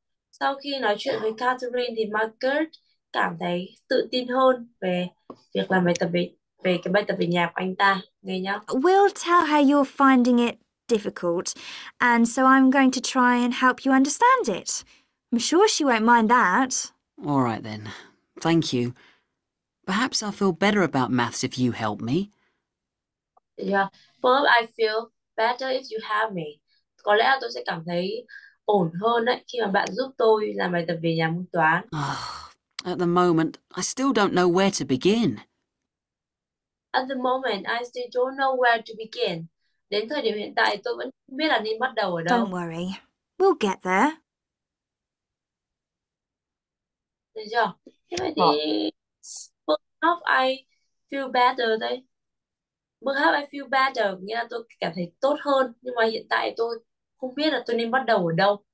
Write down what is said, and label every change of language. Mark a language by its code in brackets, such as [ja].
[vi] Sau khi nói chuyện với Catherine thì Margaret cảm thấy tự tin hơn về việc làm bài tập về cái bài tập về nhà của anh ta. Nghe nhá. [en] We'll tell her you're finding it difficult, and so I'm going to try and help you understand it. I'm sure she won't mind that. All right then. Thank you. Perhaps I'll feel better about maths if you help me. Yeah, but I feel better if you have me. [vi] Có lẽ tôi sẽ cảm thấy ổn hơn đấy khi mà bạn giúp tôi làm bài tập về nhà môn toán. [en] At the moment, I still don't know where to begin. At the moment, I still don't know where to begin. [vi] Đến thời điểm hiện tại, tôi vẫn không biết là nên bắt đầu ở [en] Don't [vi] đâu. [en] worry. We'll get there. [vi] Được chưa? Thế vậy thì bước học [en] I feel better [vi] đấy. Bước học [en] I feel better [vi] nghĩa là tôi cảm thấy tốt hơn. Nhưng mà hiện tại tôi không biết là tôi nên bắt đầu ở đâu.